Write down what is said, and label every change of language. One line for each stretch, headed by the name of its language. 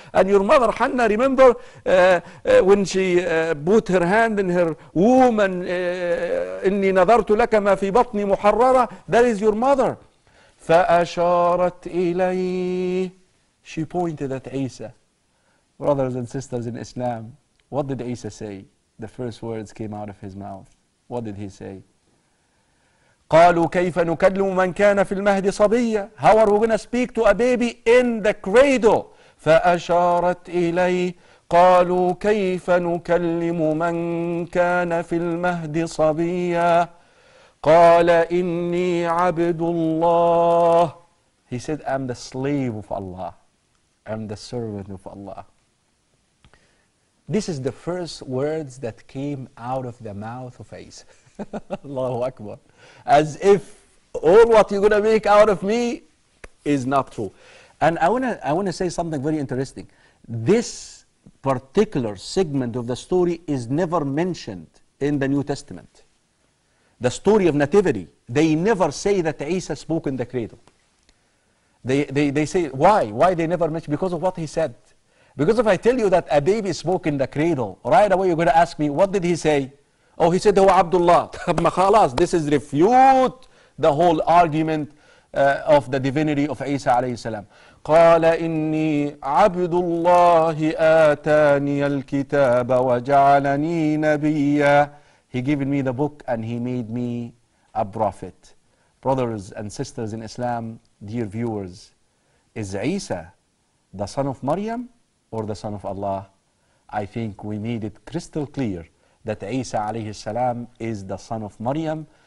English: And your mother, Hannah, remember when she put her hand in her womb and
Arabic: إِنِّي نَذَرْتُ لَكَ مَا فِي بَطْنِ مُحَرَّرَةً
English: That is your mother.
Arabic: فَأَشَارَتْ إِلَيْهِ
English: She pointed at Isa. Brothers and sisters in Islam, What did Isa say? The first words came out of his mouth. What did he say?
Arabic: قالوا كيف نكلم من كان في المهد صبية.
English: How are we going to speak to a baby in the cradle?
Arabic: فأشارت إليه قالوا كيف نكلم من كان في المهد صبية. قال إني عبد الله.
English: He said, I'm the slave of Allah. I'm the servant of Allah. This is the first words that came out of the mouth of Isa. Allahu Akbar. As if all what you're going to make out of me is not true. And I want to say something very interesting. This particular segment of the story is never mentioned in the New Testament. The story of nativity, they never say that Isa spoke in the cradle. They say, why? Why they never mention? Because of what he said. Because if I tell you that a baby spoke in the cradle, right away you're going to ask me, what did he say? Oh, he said,
Arabic: هو عبد الله.
English: This is refute the whole argument of the divinity of Isa عليه السلام.
Arabic: قال إني عبد الله آتاني الكتاب وجعلني نبيا.
English: He given me the book and he made me a prophet. Brothers and sisters in Islam, dear viewers, is Isa the son of Maryam or the son of Allah? I think we made it crystal clear that Isa alayhi salam is the son of Maryam.